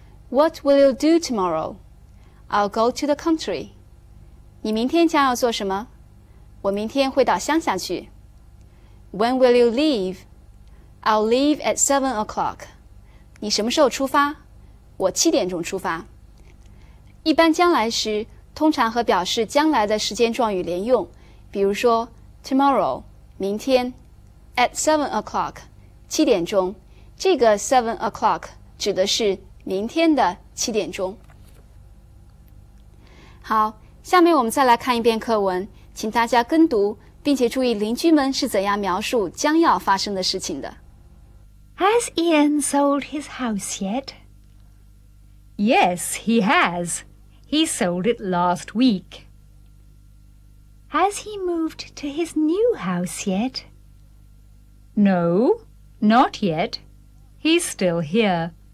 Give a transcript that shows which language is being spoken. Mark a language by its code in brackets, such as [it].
[en] What will you do tomorrow? I'll go to the country. [zh] 你明天将要做什么？我明天会到乡下去。 [en] When will you leave? I'll leave at 7 o'clock. [zh] 你什么时候出发？我7点钟出发。一般将来时通常和表示将来的时间状语连用。比如说 tomorrow, 明天 [en] at 7 o'clock, [zh] 七点钟，这个 7 o'clock 指的是明天的七点钟。好，下面我们再来看一遍课文，请大家跟读，并且注意邻居们是怎样描述将要发生的事情的。 [en] Has Ian sold his house yet? Yes, he has. He sold it last week. Has he moved to his new house yet? No, not yet. He's still here.